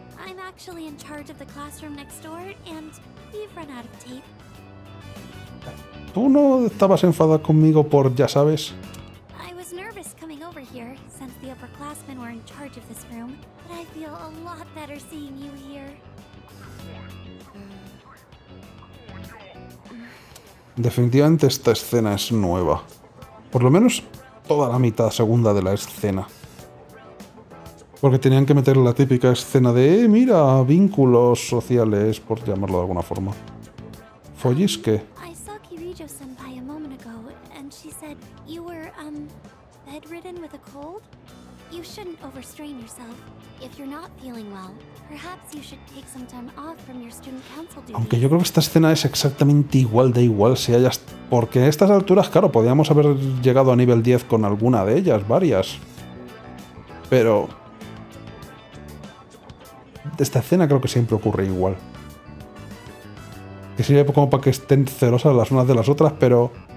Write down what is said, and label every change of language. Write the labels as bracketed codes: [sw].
[en] I'm actually in charge of the classroom next door and we've run out of tape. [es] ¿Tú no estabas enfadada conmigo por ya sabes? [en] I was nervous coming over here since the upperclassmen were in charge of this room. But I feel a lot better seeing you here. [es] Definitivamente esta escena es nueva. Por lo menos toda la mitad segunda de la escena. Porque tenían que meter la típica escena de mira, vínculos sociales, por llamarlo de alguna forma. Follisque. [en] I saw Kirijo-senpai a moment ago, and she said you were, bedridden with a cold? You shouldn't overstrain yourself. If you're not feeling well, perhaps you should take some time off from your student council duty. [es] Aunque yo creo que esta escena es exactamente igual de igual si hayas... Porque a estas alturas, claro, podríamos haber llegado a nivel 10 con alguna de ellas, varias. Pero... Esta escena creo que siempre ocurre igual. Que sirve como para que estén celosas las unas de las otras, pero...